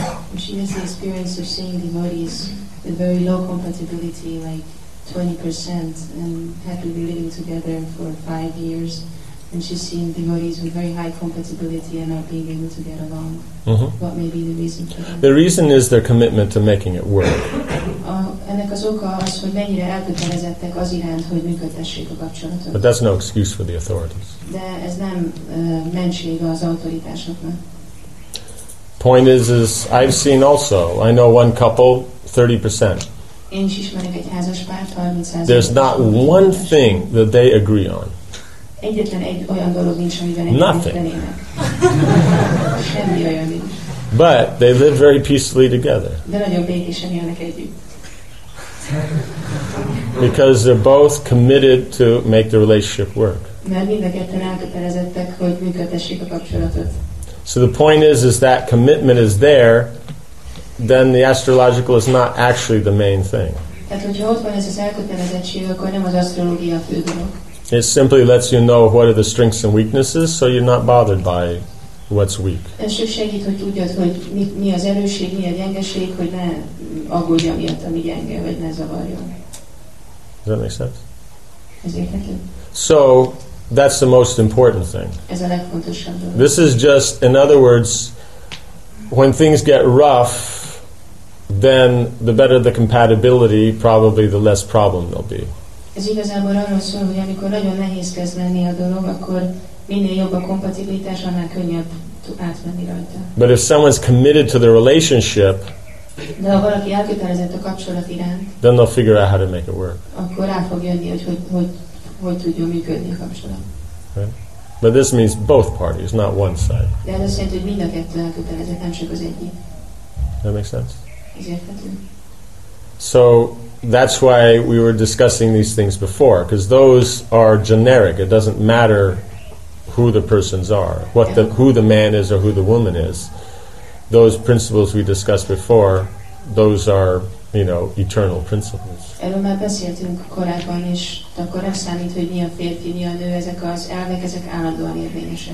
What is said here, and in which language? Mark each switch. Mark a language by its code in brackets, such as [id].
[en] And she has the experience of seeing devotees with very low compatibility, like 20%, and happily living together for 5 years. And she's seen devotees with very high compatibility and not being able to get along. Mm-hmm. What may be the reason for that? The reason is their commitment to making it work. [hu] Ennek az oka az, hogy mennyire elkötelezettek az iránt, hogy működtessék a kapcsolatot. [en] But that's no excuse for the authorities. [hu] De ez nem mentség az autoritásoknak. [en] Point is I've seen also, I know one couple, 30%. [hu] Én is ismerek egy házas párt, 30%. [en] There's not one thing that they agree on. [hu] Egyetlen egy olyan dolog nincs, amiben [en] nothing. [hu] Semmi olyan nincs. [en] But they live very peacefully together. [hu] De nagyon békésen élnek együtt. [en] Because they're both committed to make the relationship work. [hu] Mert mind a ketten elkötelezettek, hogy működtessék a kapcsolatot. [en] So the point is that commitment is there, then the astrological is not actually the main thing. [hu] Tehát, hogyha ott van ez az elkötelezettség, akkor nem az asztrológia a fő dolog. [en] It simply lets you know what are the strengths and weaknesses, so you're not bothered by what's weak. [hu] Ez csak segít, hogy tudjad, hogy mi az erősség, mi a gyengeség, hogy ne aggódja miatt, ami gyenge, vagy ne zavarjon. [en] Does that make sense? [hu] Ez érthető. [en] So, That's the most important thing. [hu] Ez a legfontosabb dolog. [en] This is just, in other words, when things get rough, then the better the compatibility, probably the less problem there'll be. [hu] Ez igazából arról szól, hogy amikor nagyon nehéz kezd lenni a dolog, akkor minél jobb a kompatibilitás, annál könnyebb átmenni rajta. [en] But if someone's committed to the relationship, [hu] de ha valaki elkötelezett a kapcsolat iránt, [en] then they'll figure out how to make it work. [hu] Akkor rá fog jönni, hogy tudjon működni a kapcsolat. [en] Right? But this means both parties, not one side. [hu] De ez azt jelenti, hogy mind a kettő elkötelezett, nem csak az egyik. [en] That makes sense? [hu] Ez érthető. [en] So that's why we were discussing these things before, because those are generic. It doesn't matter who the persons are, who the man is or who the woman is. Those principles we discussed before, those are, you know, eternal principles. [hu] Erről már beszéltünk korábban is, de akkor nem számít, hogy mi a férfi, mi a nő, ezek az elvek, ezek állandóan érvényesek.